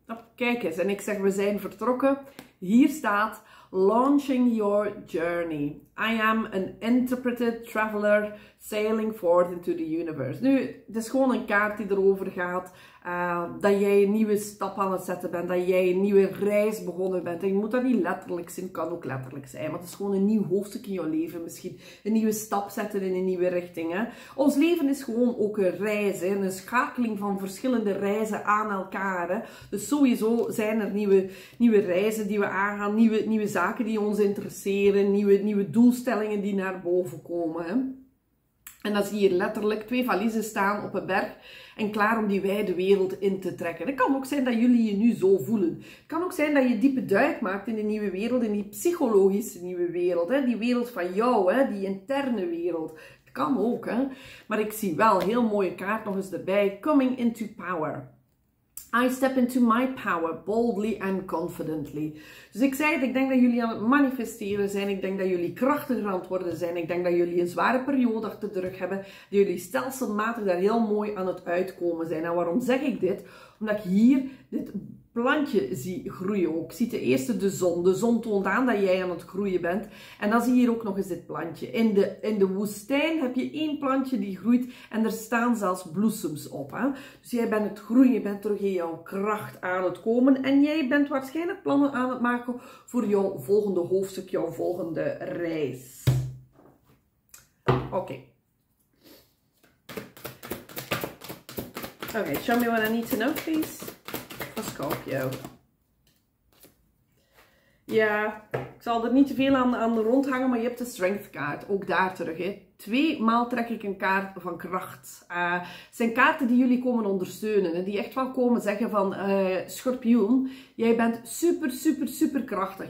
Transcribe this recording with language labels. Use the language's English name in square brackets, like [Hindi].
[Dutch] Oh, kijk eens, en ik zeg we zijn vertrokken. Hier staat, [English] launching your journey. I am an interpreted traveler sailing forth into the universe. [Dutch] Nu, het is gewoon een kaart die erover gaat. Dat jij een nieuwe stap aan het zetten bent. Dat jij een nieuwe reis begonnen bent. En je moet dat niet letterlijk zien. Kan ook letterlijk zijn. Maar het is gewoon een nieuw hoofdstuk in jouw leven misschien. Een nieuwe stap zetten in een nieuwe richting. Hè? Ons leven is gewoon ook een reis. Hè? Een schakeling van verschillende reizen aan elkaar. Hè? Dus sowieso zijn er nieuwe reizen die we aangaan. Nieuwe zaken die ons interesseren. Nieuwe doelstellingen die naar boven komen. Hè? En dan zie je hier letterlijk 2 valiezen staan op een berg. En klaar om die wijde wereld in te trekken. Het kan ook zijn dat jullie je nu zo voelen. Het kan ook zijn dat je diepe duik maakt in de nieuwe wereld. In die psychologische nieuwe wereld. Hè? Die wereld van jou. Hè? Die interne wereld. Het kan ook. Hè? Maar ik zie wel een heel mooie kaart nog eens erbij. [English] Coming into power. I step into my power boldly and confidently. [Dutch] Dus ik zei het, ik denk dat jullie aan het manifesteren zijn. Ik denk dat jullie krachtiger aan het worden zijn. Ik denk dat jullie een zware periode achter de rug hebben. Dat jullie stelselmatig daar heel mooi aan het uitkomen zijn. En waarom zeg ik dit? Omdat ik hier dit plantje zie groeien ook. Ik zie ten eerste de zon. De zon toont aan dat jij aan het groeien bent. En dan zie je hier ook nog eens dit plantje. In de woestijn heb je 1 plantje die groeit en er staan zelfs bloesems op. Hè? Dus jij bent het groeien, je bent terug in jouw kracht aan het komen en jij bent waarschijnlijk plannen aan het maken voor jouw volgende hoofdstuk, jouw volgende reis. Oké. [English] Okay, show me what I need to know, please. Scorpio. [Dutch] Ja, ik zal er niet te veel aan rondhangen, maar je hebt de strength kaart. Ook daar terug. Hè. 2 maal trek ik een kaart van kracht. Het zijn kaarten die jullie komen ondersteunen. Hè. Die echt wel komen zeggen van, Schorpioen, jij bent super, super, super krachtig.